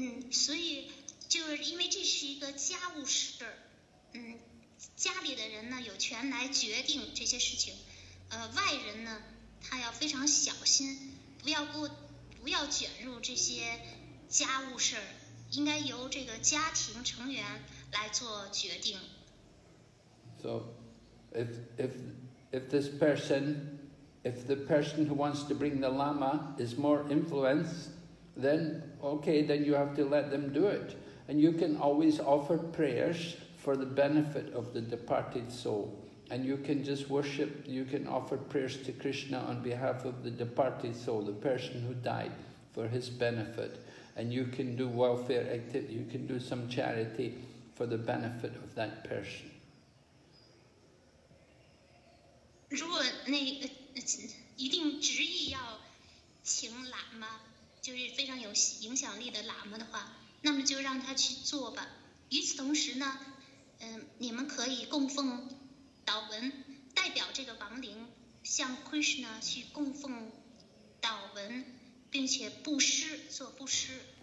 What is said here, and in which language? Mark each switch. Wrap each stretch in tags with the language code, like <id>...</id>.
<zh>所以就是因为这是一个家务事，家里的人呢有权来决定这些事情，外人呢他要非常小心，不要卷入这些家务事，应该由这个家庭成员来做决定。</zh> <en>So if the person who wants to bring the Lama is more influenced, then okay, then you have to let them do it. And you can always offer prayers for the benefit of the departed soul. And you can just worship, you can offer prayers to Krishna on behalf of the departed soul, the person who died, for his benefit, and you can do welfare activity, you can do some charity for the benefit of that person.</en> <zh>如果那一定执意要请喇嘛，就是非常有影响力的喇嘛的话，那么就让他去做吧。与此同时呢，你们可以供奉祷文，代表这个亡灵向Krishna去供奉祷文，并且布施，做布施。</zh>